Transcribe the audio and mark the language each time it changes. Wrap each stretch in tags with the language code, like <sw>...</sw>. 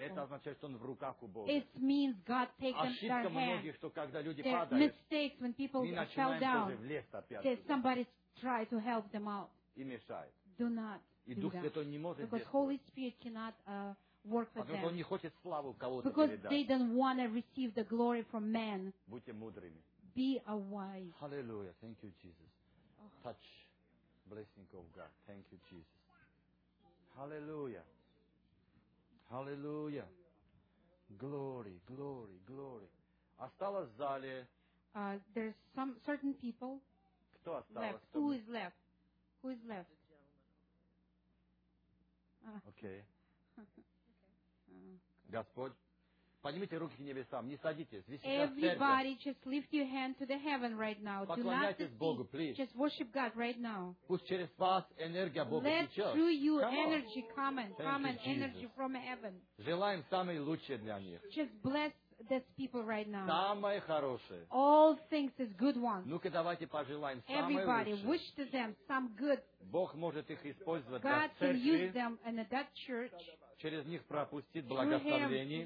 <ru>Это означает, что он в руках у Бога.</ru> <en>It means God takes them their hands.</en> <ru>Ошибка многих, что когда люди падают,</ru> <en>there's mistakes when people fell down. That somebody try to help them out.</en> <ru>И мешает.</ru> <en>Do not.</en> <ru>И Дух Святой не может.</ru> <en>Because Holy Spirit cannot work with them.</en> <ru>Потому что он не хочет славу кого-то.</ru> <en>Because they don't want to receive the glory from man.</en> <ru>Будьте мудрыми.</ru> <en>Be a wise. Hallelujah. Thank you, Jesus. Oh. Touch. Blessing of God. Thank you, Jesus. Hallelujah. Hallelujah. Glory, glory, glory.</en> <ru>Осталось в зале.</ru> <en>There's some certain people.</en> <ru>Кто осталось?</ru> <en>Left. Who is left? Who is left? Okay.</en> <ru>Господь. Поднимите руки к небесам. Не садитесь. Висите.</ru> <en>Everybody, just lift your hand to the heaven right now.</en> <ru>Поклоняйтесь Богу, please.</ru> <en>Just worship God right now.</en> <ru>Пусть через вас энергия Бога течет.</ru> <en>Let through you energy come and come and energy from heaven.</en> <ru>Желаем самое лучшее для них.</ru> <en>Just bless these people right now.</en> <ru>Самое хорошее.</ru> <en>All things is good ones.</en> <ru>Ну-ка, давайте пожелаем самое</ru> <en>Everybody,</en> <ru>лучшее.</ru> <en>Wish to them some good.</en> <ru>Бог может их использовать</ru> <en>God</en> <ru>для церкви.</ru> <en>God can use them in that church.</en> <ru>Через них пропустит благословение.</ru>